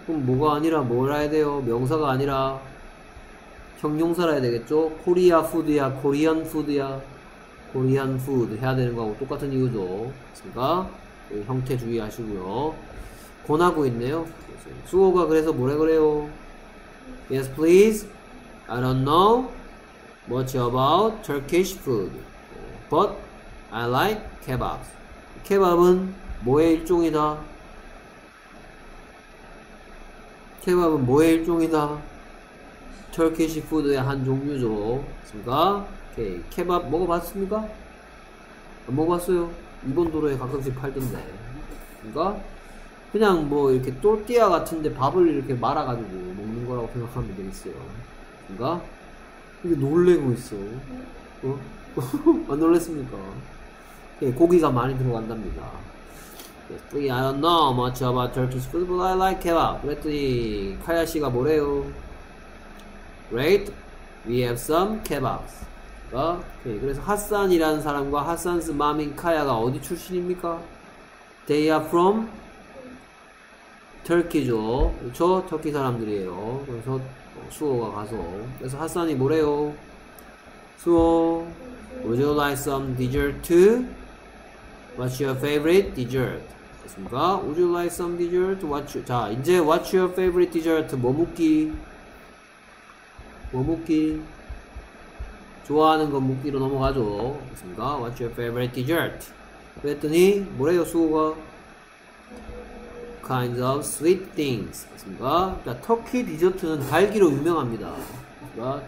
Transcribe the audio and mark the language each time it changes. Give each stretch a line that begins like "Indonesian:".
Korean: 그럼 뭐가 아니라 뭘 해야 돼요? 명사가 아니라 형용사라 해야 되겠죠?
English: Korea food
Korean: 야,
English: Korean food
Korean: 야, Korean food 해야 되는 거하고 똑같은 이유죠. 그러니까 형태 주의하시고요. 권하고 있네요. 수호가 그래서 뭐래 그래요?
English: Yes, please. I don't know much about Turkish food, but I like kebab.
Korean: 케밥은 뭐의 일종이다? 케밥은 뭐의 일종이다?
English: Turkish food
Korean: 의 한 종류죠. 그렇습니까? 오케이. 케밥 먹어봤습니까? 안 먹어봤어요. 이번 도로에 가끔씩 팔던데. 그러니까 그냥 뭐 이렇게 똘띠아 같은데 밥을 이렇게 말아가지고 먹는 거라고 생각하면 되겠어요. 그러니까 이게 놀래고 있어. 어? 안 놀랬습니까? 오케이. 고기가 많이 들어간답니다.
English: Yes, I don't know much about Turkish food, but I like kebab.
Korean: 그랬더니 카야씨가 뭐래요?
English: Great, we have some kebabs. 어? Okay.
Korean: 그래서 핫산이라는 사람과 핫산스 마민 카야가 어디 출신입니까?
English: They are from Turkey죠.
Korean: 그렇죠? 터키 사람들이에요. 그래서 수호가 가서. 그래서 핫산이 뭐래요?
English: 수호, would you like some dessert too? What's your favorite dessert?
Korean: 됐습니까?
English: Would you like some dessert? What's your,
Korean: 자, 이제
English: what's your favorite dessert?
Korean: 뭐 묻기? 뭐 묻기? 좋아하는 거 묻기로 넘어가죠. 됐습니까?
English: What's your favorite dessert?
Korean: 그랬더니 뭐래요 수호가?
English: Kinds of sweet things.
Korean: 됐습니까? 자, 터키 디저트는 달기로 유명합니다. 됐습니까?